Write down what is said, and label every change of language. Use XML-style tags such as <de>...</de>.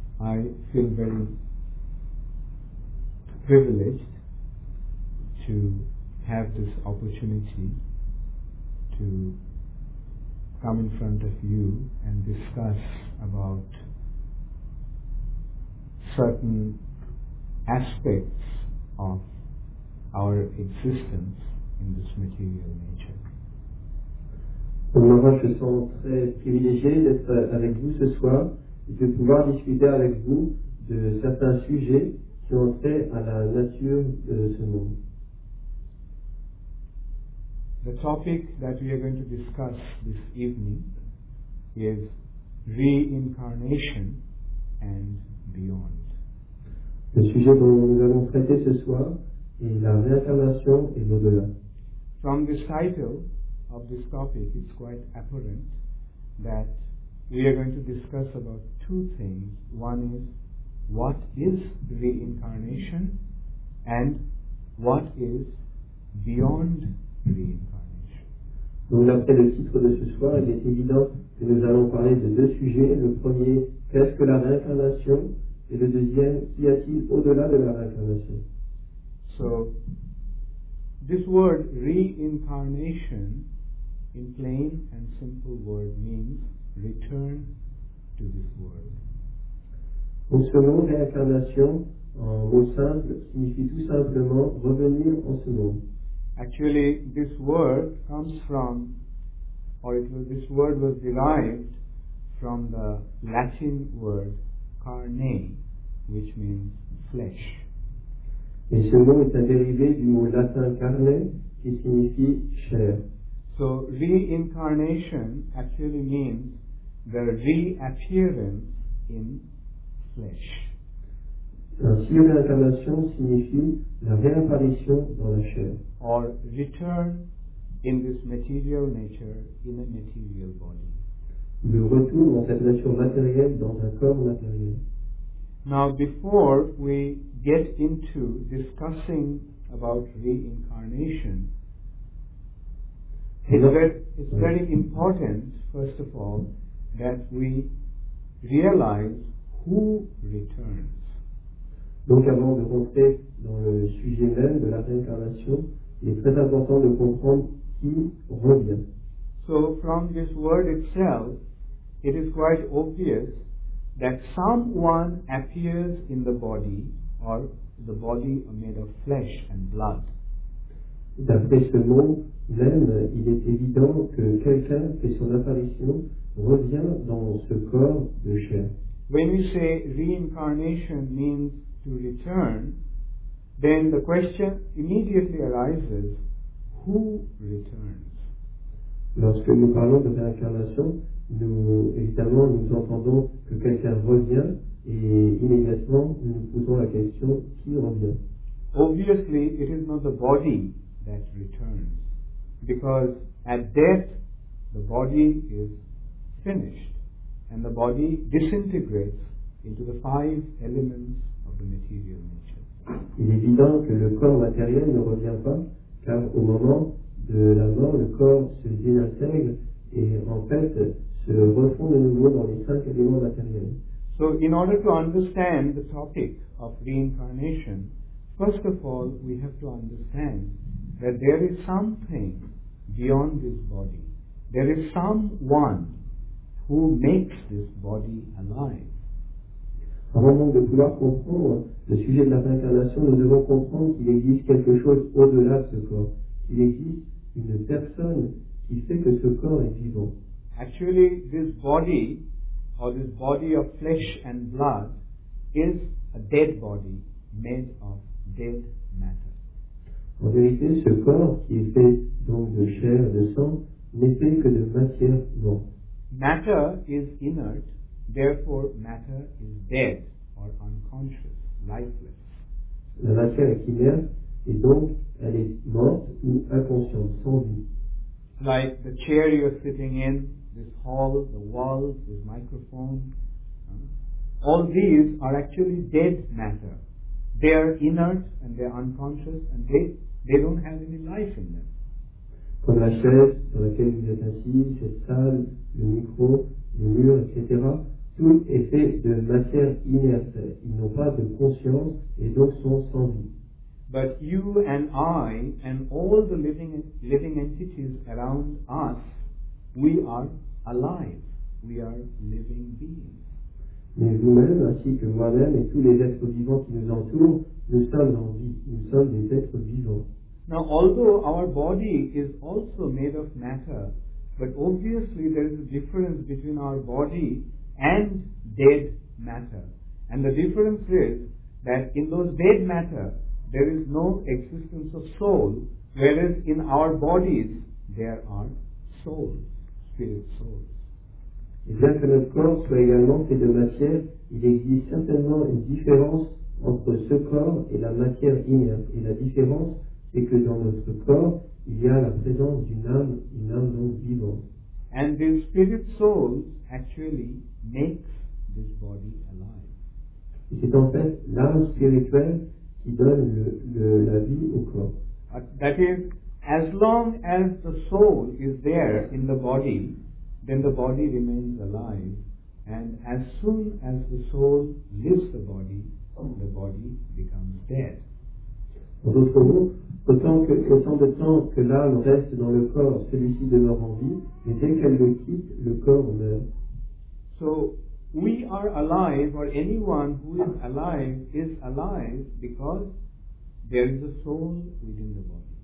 <en>I feel very privileged to have this opportunity to come in front of you and discuss about certain aspects of our existence in this material nature.</en> <fr>Moi, je me sens très privilégié d'être avec vous ce soir et de pouvoir discuter avec vous de certains sujets qui ont trait à la nature de ce monde.</fr> <en>The topic that we are going to discuss this evening is reincarnation and beyond.</en> <fr>Le sujet dont nous allons traiter ce soir est la réincarnation et l'au-delà.</fr> <en>From the title of this topic, it's quite apparent that we are going to discuss about two things. One is, what is reincarnation and what is beyond reincarnation.</en> <fr>Donc d'après le titre de ce soir, il est évident que nous allons parler de deux sujets. Le premier, qu'est-ce que la réincarnation? Et le deuxième, qu'y a-t-il au-delà de la réincarnation?</fr> <en>So, this word reincarnation, in plain and simple word, means return to this world.</en> <fr>Donc ce mot réincarnation, en mot simple, signifie tout simplement revenir en ce monde.</fr> <en>Actually, this word comes from, or it was, this word was derived from the Latin word carne, which means flesh.</en> <fr>Et ce mot est dérivé du mot latin carne, qui signifie chair.</fr> <en>So, reincarnation actually means the reappearance in flesh.</en> <fr>Ainsi, réincarnation signifie la réapparition dans la chair.</fr> <en>Or return in this material nature in a material body.</en> <fr>Le retour dans cette nature matérielle dans un corps matériel.</fr> <en>Now, before we get into discussing about reincarnation, it's very important, first of all, that we realize who returns.</en> <fr>Donc, avant de rentrer dans le sujet même de la réincarnation, il est très important de comprendre qui revient.</fr> <en>So, from this word itself, it is quite obvious that someone appears in the body, or the body made of flesh and blood.</en> <fr>D'après ce mot même, il est évident que quelqu'un fait son apparition revient dans ce corps de chair.</fr> <en>When we say reincarnation means to return, then the question immediately arises, who returns?</en> <fr>Lorsque nous parlons de réincarnation, nous, évidemment, nous entendons que quelqu'un revient et immédiatement nous nous posons la question, qui revient?</fr> <en>Obviously, it is not the body that returns, because at death, the body is finished and the body disintegrates into the five elements of the material nature.</en> <fr>Il est évident que le corps matériel ne revient pas, car au moment de la mort, le corps se désintègre et en fait se refond de nouveau dans les cinq éléments matériels.</fr> <en>So in order to understand the topic of reincarnation, first of all we have to understand that there is something beyond this body. There is someone who makes this body alive.</en> <fr>Avant donc de pouvoir comprendre le sujet de la réincarnation, nous devons comprendre qu'il existe quelque chose au-delà de ce corps. Qu'il existe une personne qui fait que ce corps est vivant.</fr> <en>Actually, this body, or this body of flesh and blood, is a dead body made of dead matter.</en> <fr>En vérité, ce corps qui est fait donc de chair, de sang, n'est fait que de matière morte.</fr> <en>Matter is inert, therefore matter is dead or unconscious, lifeless.</en> <fr>La matière est inerte et donc elle est morte ou inconsciente, sans vie.</fr> <en>Like the chair you're sitting in, this hall, the walls, this microphone, all these are actually dead matter. They are inert and they are unconscious and they don't have any life in them.</en> <fr>Comme la chaise sur laquelle vous êtes assis, cette salle, le micro, les murs, etc., tout est fait de matière inerte. Ils n'ont pas de conscience et donc sont sans vie.</fr> <en>But you and I and all the living entities around us, we are alive. We are living beings.</en> <fr>Mais vous-même, ainsi que moi-même et tous les êtres vivants qui nous entourent, nous sommes en vie. Nous sommes des êtres vivants.</fr> <en>Now, although our body is also made of matter, but obviously there is a difference between our body and dead matter. And the difference is that in those dead matter, there is no existence of soul, whereas in our bodies, there are souls, spirit souls.</en> <fr>Et bien que notre corps soit également fait de matière, il existe certainement une différence entre ce corps et la matière inerte. Et la différence est que dans notre corps, il y a la présence d'une âme, une âme non vivante.</fr> <en>And the spirit soul actually makes this body alive.</en> <fr>Et c'est en fait l'âme spirituelle qui donne la vie au corps.</fr> <en>That is, as long as the soul is there in the body, then the body remains alive. And as soon as the soul leaves the body becomes dead.</en> <fr>En d'autres mots, autant de temps que l'âme reste dans le corps, celui-ci demeure en vie, mais dès qu'elle le quitte, le corps meurt.</fr> <en>So, we are alive, or anyone who is alive, because there is a soul within the body.</en>